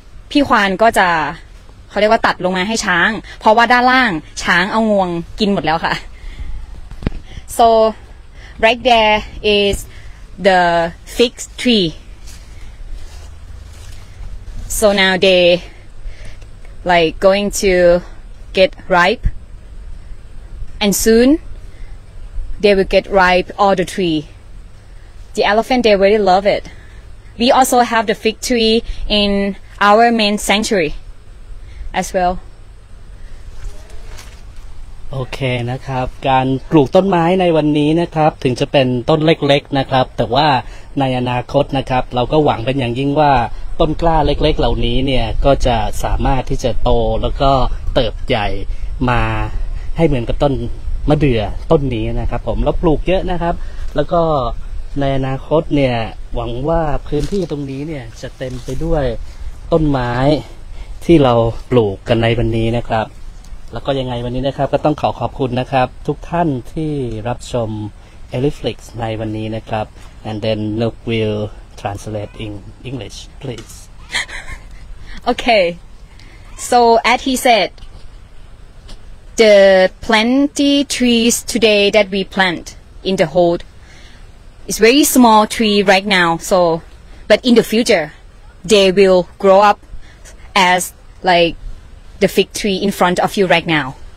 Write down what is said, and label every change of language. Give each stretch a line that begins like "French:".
Thai: พี่ควานก็จะเขาเรียกว่าตัดลงมาให้ช้างเพราะว่าด้านล่างช้างเอางวงกินหมดแล้วค่ะ
English: so right there is the fig tree so now theyLike going to get ripe, and soon they will get ripe all the tree. The elephant they really love it. We also have the fig tree in our main sanctuary as well.
Thai: Okay, นะครับการปลูกต้นไม้ในวันนี้นะครับถึงจะเป็นต้นเล็กๆนะครับแต่ว่าในอนาคตนะครับเราก็หวังเป็นอย่างยิ่งว่าต้นกล้าเล็กๆเหล่านี้เนี่ยก็จะสามารถที่จะโตแล้วก็เติบใหญ่มาให้เหมือนกับต้นมะเดื่อต้นนี้นะครับผมแล้วปลูกเยอะนะครับแล้วก็ในอนาคตเนี่ยหวังว่าพื้นที่ตรงนี้เนี่ยจะเต็มไปด้วย ต้นไม้ที่เราปลูกกันในวันนี้นะครับแล้วก็ยังไงวันนี้นะครับก็ต้องขอขอบคุณนะครับทุกท่านที่รับชม Elephant Kaavan ในวันนี้นะครับ
English: and then Lek will translate in English please okay so as he said the plenty trees today that we plant in the hold is very small tree right now so but in the future they will grow up as like the fig tree in front of you right now.